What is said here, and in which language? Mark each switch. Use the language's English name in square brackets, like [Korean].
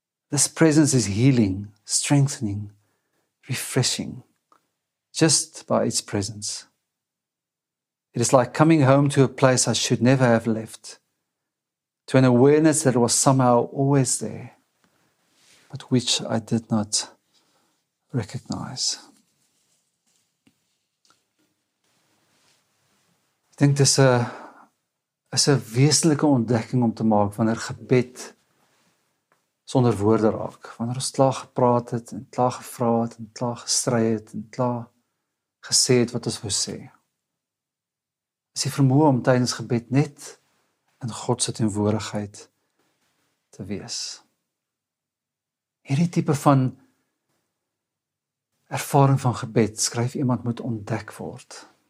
[English] This presence is healing, strengthening, refreshing, just by its presence. It is like coming home to a place I should never have left, to an awareness that it was somehow always there, but which I did not recognize. [Afrikaans] Ek dink dis 'n wesentlike ontdekking om te maak wanneer gebed sonder woorde raak. Wanneer ons klaar gepraat het en klaar gevra het en klaar gestry het en klaar gesê het wat ons wou sê. Is die vermoë om tydens gebed net in God se teenwoordigheid te wees. Hierdie tipe van ervaring van gebed, skryf iemand, moet ontdek word.